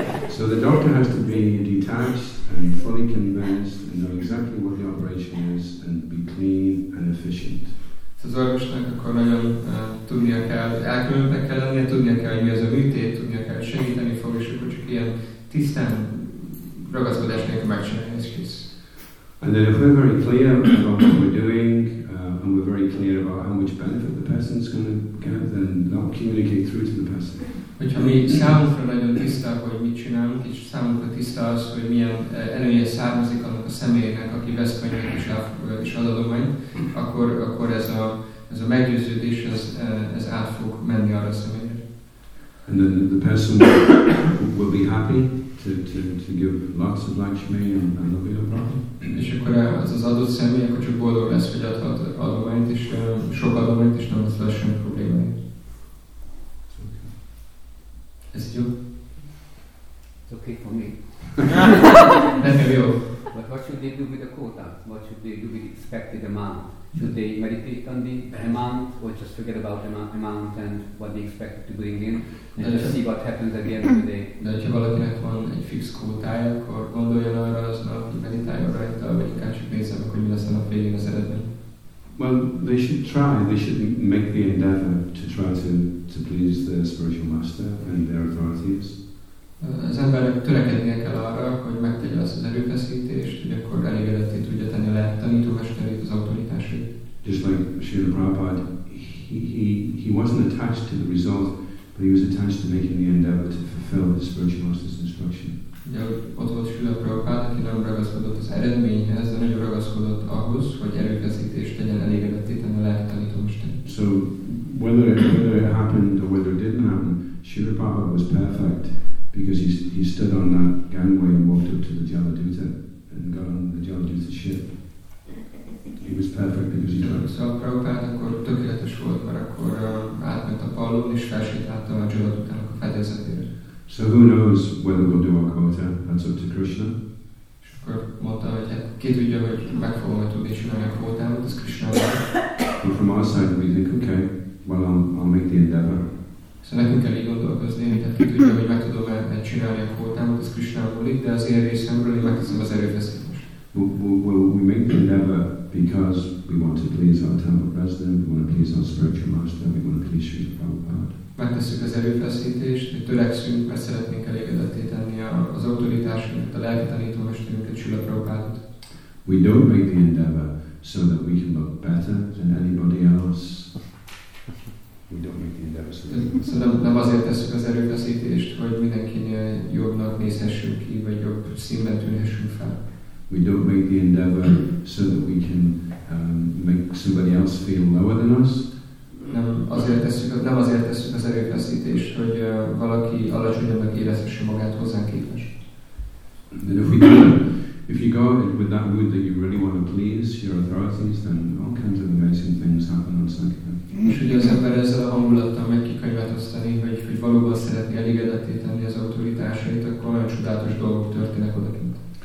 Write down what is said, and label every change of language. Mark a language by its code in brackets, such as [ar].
[en] So the doctor has to be detached and fully convinced and know exactly what the operation is and be clean and efficient. [hu] Az orvosnak akkor nagyon tudnia kell, elkülönnek kell lennie, tudnia kell, hogy mi az a műtét, tudnia kell segíteni fog, és akkor csak ilyen tisztán ragaszkodás nélkül megcsinálni ezt kész. [en] And then if we're very clear about what we're doing, and we're very clear about how much benefit the person's going to get, then they'll communicate through to the person. [hu] Hogyha mi számunkra nagyon tiszta, hogy mit csinálunk, és számunkra tiszta az, hogy milyen előnye származik annak a személynek, aki vesz könyvet és ad adományt, akkor ez a meggyőződés, ez át fog menni arra a személyre. [en] And then the person will be happy to give lots of Lakshmi and there'll be no problem. [hu] És akkor az az adott személy, akkor csak boldog lesz, hogy adhat adományt, és sok adományt, és nem lesz semmi problémája. [en] Is it you? It's okay for me. That's real. But what should they do with the quota? What should they do with the expected amount? Should they meditate on the amount, or just forget about the amount and what they expected to bring in, and just see what happens at the end of the day? [hu] De ha valakinek van egy fix kvótája, akkor gondoljon arra, azt már ott meditáljon rajta, vagy inkább csak nézzen meg, hogy mi lesz a nap végén az eredmény. [en] Well, they should try, they should make the endeavor to try to please their spiritual master and their authorities. [hu] Az embernek törekednie kell arra, hogy megtegye azt az erőfeszítést, hogy akkor elégedetté tudja tenni a tanítómesterét, az autoritásait. [en] Just like Srila Prabhupada, he wasn't attached to the result, but he was attached to making the endeavor to fulfill his spiritual master's instruction. [hu] Ugye ott volt Srila Prabhupada, aki nem ragaszkodott az eredményhez, de nagyon ragaszkodott ahhoz, hogy erőfeszítést tegyen elégedetté tenni a lelki tanítómesterét. [en] So, whether it happened or whether it didn't happen, Srila Prabhupada was perfect. Because he stood on that gangway and walked up to the Jaladuta and got on the Jaladuta ship. He was perfect because he tried. [hu] So Prabhupada, akkor tökéletes volt, mert akkor átment a pallón és felsétálta a Jaladutának a fedezetére. [en] So who knows whether we'll do our quota? That's up to Krishna. [hu] És akkor mondta, hogy ki tudja, hogy meg fogom-e tudni csinálni a kvótámat, ez Krishna. [en] But from our side, we think, okay, well, I'll make the endeavor. [hu] Szóval nekünk kell így gondolkozni, hogy ki tudja, hogy meg tudom csinálni a kvótámat, ez Krisnából itt, de az én részemről én megteszem az erőfeszítést. [en] Well, we make the endeavor because we want to please our temple president, we want to please our spiritual master, we want to please Srila Prabhupada. [hu] Megtesszük az erőfeszítést, hogy törekszünk, mert szeretnénk elégedetté tenni az autoritásunkat, a lelki tanítómesterünket, Srila Prabhupádot. [en] We don't make the endeavor so that we can look better than anybody else. We don't make the endeavor so that [hu] so nem azért tesszük az erőfeszítést, hogy mindenkinél jobbnak nézhessünk ki, vagy jobb színben tűnhessünk fel. [en] We don't make the endeavor so that we can make somebody else feel lower than us. [hu] Nem azért tesszük az erőfeszítést, hogy valaki alacsonyabbnak érezhesse magát hozzánk képest. [en] Then if you go with that mood that you really want to please your authorities, then all kinds of amazing things happen on Sankirtan. [hu] És ugye az ember ezzel a hangulattal meg kikönyvet osztani, hogy valóban szeretni elégedetté tenni az autoritásait, akkor olyan csodálatos dolgok történnek odakint.